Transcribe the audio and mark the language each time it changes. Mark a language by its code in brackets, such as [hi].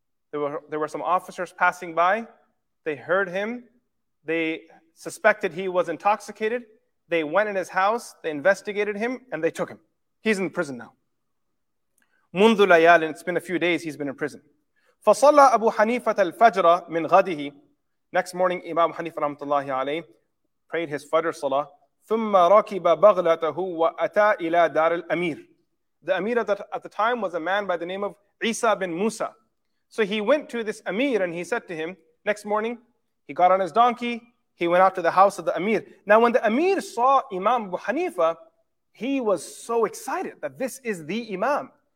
[en] There were some officers passing by. They heard him. They suspected he was intoxicated. They went in his house, they investigated him, and they took him. He's in prison now. [ar] منذ ليال, [en] it's been a few days he's been in prison. [ar] فصلى أبو حنيفة الفجر من غده. [en] Next morning, Imam Hanifa rahmatullahi alayhi prayed his Fajr Salah. [ar] ثم ركب بغلته وأتى إلى دار الأمير. [en] The Amir at the time was a man by the name of Isa bin Musa. So he went to this Amir and he said to him, next morning, he got on his donkey, he went out to the house of the Amir. Now when the Amir saw Imam Abu Hanifa, he was so excited that this is the Imam.